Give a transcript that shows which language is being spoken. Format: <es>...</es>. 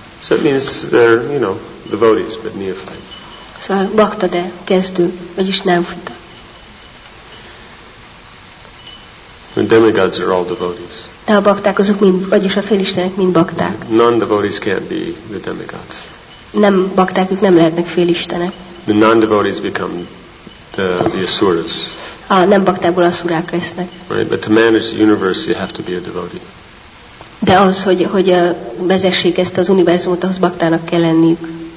<en>So it means they're, you know, devotees, but neophytes.</en> <hu>Szóval bakta, de kezdő, vagyis nem futta.</hu> <en>The demigods are all devotees.</en> <hu>De a bakták azok mind, vagyis a félistenek mind bakták.</hu> <en>Non-devotees can't be the demigods.</en> <hu>Nem bakták, ők nem lehetnek félistenek.</hu> <en>The non-devotees become the asuras.</en> <hu>A nem baktából asurák lesznek.</hu> <en>Right, but to manage the universe, you have to be a devotee.</en> <hu>De az, hogy vezessék ezt az univerzumot, ahhoz baktának kell lenniük.</hu>